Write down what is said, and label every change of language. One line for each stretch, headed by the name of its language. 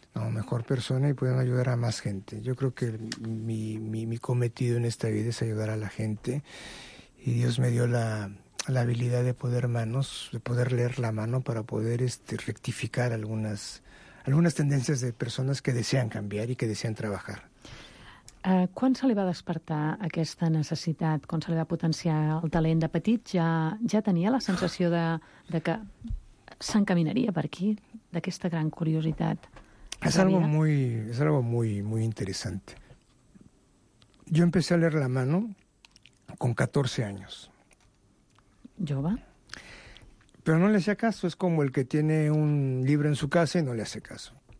Spanish: No, mejor persona y pueden ayudar a más gente. Yo creo que mi cometido en esta vida es ayudar a la gente. Y Dios me dio la habilidad de poder leer la mano para poder rectificar algunas tendencias de personas que desean cambiar y que desean trabajar.
Catalan: Quan se li va despertar aquesta necessitat, quan se li va potenciar el talent de petit, ja tenia la sensació de que s'encaminaria per aquí, d'aquesta gran curiositat?
Spanish: És algo muy interesante. Yo empecé a leer la mano con 14 años.
Catalan: ¿Jove?
Spanish: Pero no le hacía caso, es como el que tiene un libro en su casa y no le hace caso.